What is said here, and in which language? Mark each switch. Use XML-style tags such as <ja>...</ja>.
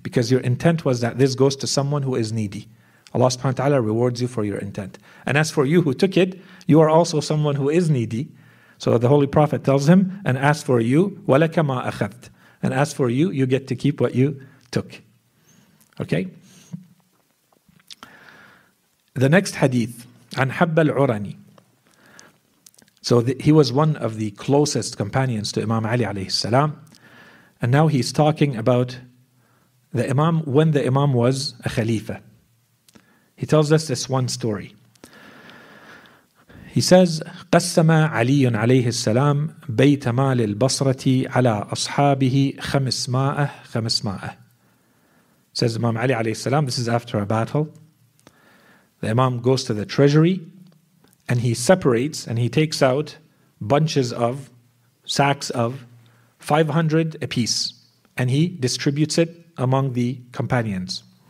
<en>Because your intent was that this goes to someone who is needy. Allah subhanahu wa ta'ala rewards you for your intent. And as for you who took it, you are also someone who is needy. So the Holy Prophet tells him, and as for you,</en> <ar>وَلَكَ مَا أَخَذْتَ.</ar> <en>And as for you, you get to keep what you took. Okay? The next hadith, عن حب العراني. So he was one of the closest companions to Imam Ali alayhi salam. And now he's talking about the Imam, when the Imam was a Khalifa. He tells us this one story.</en> <ar>He says, قسم علي عليه السلام بيت مال البصرة على أصحابه خمسمائة.</ar> <en>Says Imam Ali عليه السلام, this is after a battle. The Imam goes to the treasury and he separates and he takes out bunches of sacks of 500 apiece and he distributes it among the companions.</en>